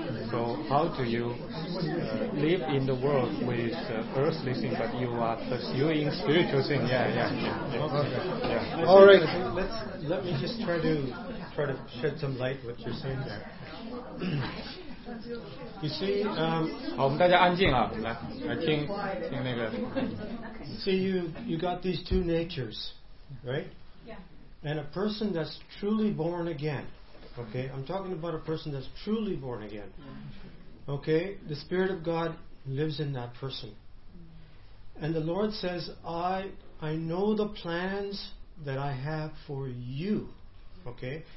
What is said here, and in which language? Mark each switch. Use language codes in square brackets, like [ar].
[en] So how do you live in the world with earthly thing, but you are pursuing spiritual thing? All right. Let me just try to shed some light what you're saying there. You see, [zh] 好，我们大家安静啊，来听那个。 [en] See, you got these two natures, right? Yeah. And a person that's truly born again, okay? I'm talking about a person that's truly born again, okay? The Spirit of God lives in that person. And the Lord says, I know the plans that I have for you, okay?